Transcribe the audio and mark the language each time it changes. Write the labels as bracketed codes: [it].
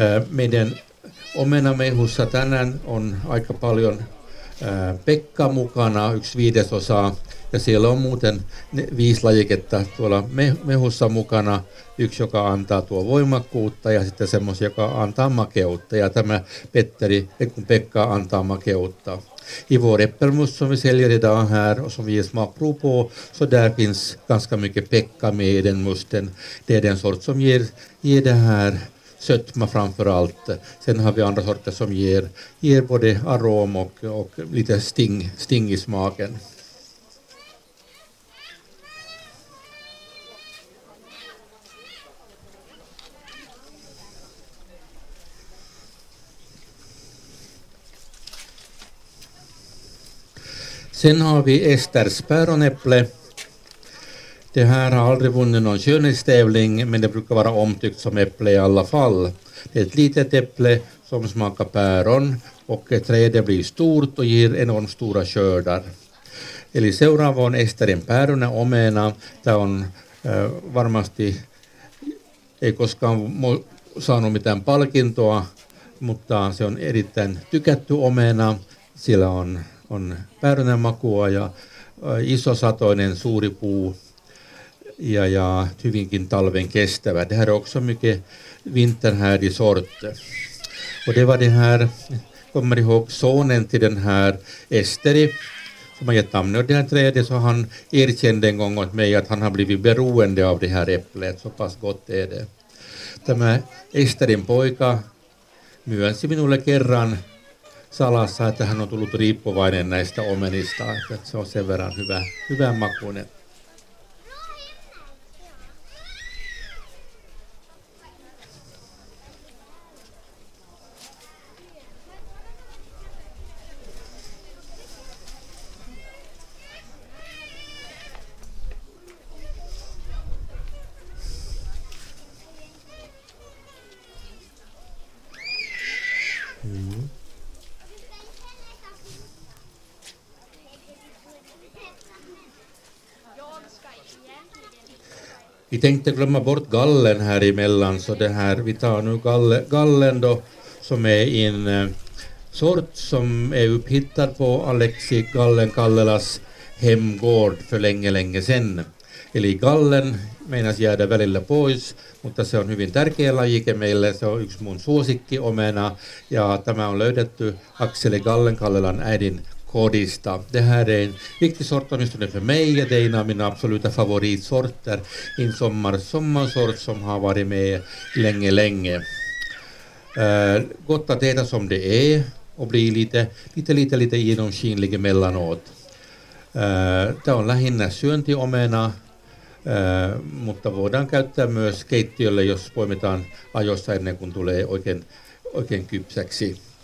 [fi] Meidän omenamehussa tänään on aika paljon Pekka mukana, 1/5, ja siellä on muuten 5 lajiketta tuolla mehussa mukana, yksi joka antaa tuo voimakkuutta ja sitten semmoisia, joka antaa makeutta, ja tämä Petteri, kun Pekka antaa makeutta. [sv] I vår äppelmust som vi säljer idag här och som vi ger smakprov på, så där finns ganska mycket Pekka med i den musten. Det är den sort som ger det här sötma framför allt. Sen har vi andra sorter som ger både arom och lite sting i smaken. Sen har vi Esters päronäpple. Det här har aldrig vunnit någon skönhetstävling, men det brukar vara omtyckt som äpple i alla fall. Det är ett litet äpple som smakar päron och trädet blir stort och ger enormt stora skördar. [fi] Eli seuraava on Esterin päärönä omena. Tämä on varmasti, ei koskaan saanut mitään palkintoa, mutta se on erittäin tykätty omena. Sillä on päärönän makua ja isosatoinen suuri puu. Ja hyvinkin talven kestävä. [sv] Det här är också mycket vinterhärdig sort. Och det var det här, kommer ihåg sonen till den här Esteri som har gett namn och det här trädet, så han erkände en gång åt mig att han har blivit beroende av det här äpplet. Så pass gott är det. [fi] Tämä Esterin poika myönsi minulle kerran salassa, että hän on tullut riippuvainen näistä omenista. Että se on sen verran hyvä makuinen. [sv] Vi tänkte glömma bort gallen här emellan, så det här, vi tar nu gallen då, som är en sort som är upphittad på Alexi Gallen Kallelas hemgård för länge sedan. [fi] Eli gallen menas jäädä välillä pois, mutta se on hyvin tärkeä lajike meille, se on yksi mun suosikki omena ja tämä on löydetty Akseli Gallen Kallelan äidin kodista. [sv] Det här är en viktig sort åtminstone för mig, och det är en av mina absoluta favoritsorter. En sommarsort som har varit med länge. Gott att äta som det är och bli lite genomskinlig emellanåt. Det är [fi] lähinnä syöntiomena, mutta voidaan käyttää myös keittiölle, jos poimitaan ajoissa ennen kuin tulee oikein kypsäksi.